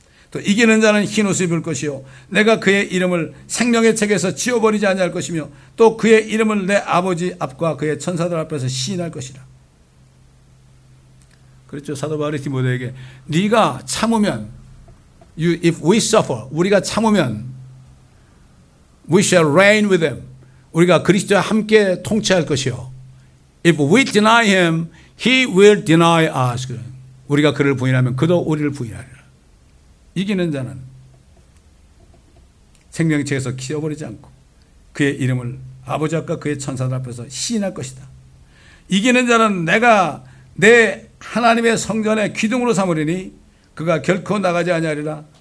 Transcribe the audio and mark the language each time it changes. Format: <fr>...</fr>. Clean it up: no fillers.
<ko>또 이기는 자는 흰 옷을 입을 것이요. 내가 그의 이름을 생명의 책에서 지워버리지 아니할 것이며 또 그의 이름을 내 아버지 앞과 그의 천사들 앞에서 시인할 것이라. 그렇죠. 사도 바울이 디모데에게 네가 참으면</ko> <en>you, if we suffer</en> <ko>우리가 참으면</ko> <en>we shall reign with him</en> <ko>우리가 그리스도와 함께 통치할 것이요.</ko> <en>If we deny him he will deny us</en> <ko>우리가 그를 부인하면 그도 우리를 부인하리라. 이기는 자는 생명책에서 키워버리지 않고 그의 이름을 아버지 앞과 그의 천사들 앞에서 시인할 것이다. 이기는 자는 내가 내 하나님의 성전에 기둥으로 삼으리니 그가 결코 나가지 아니하리라.</ko>